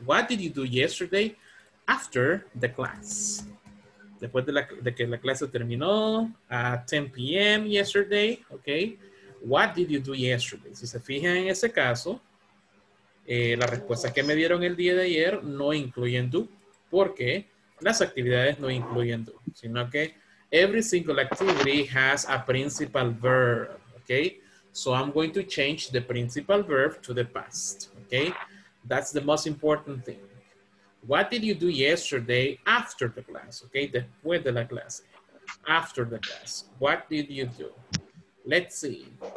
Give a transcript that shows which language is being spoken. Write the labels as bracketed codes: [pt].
[en] What did you do yesterday after the class? [es] Después de que la clase terminó, at 10 p.m. [en] yesterday, okay? What did you do yesterday? [es] Si se fijan en ese caso, las respuestas que me dieron el día de ayer no incluyen do, porque las actividades no incluyen do, sino que every single activity has a principal verb, okay? [en] So I'm going to change the principal verb to the past, okay? That's the most important thing. What did you do yesterday after the class? Okay, después de la clase. After the class. What did you do? Let's see.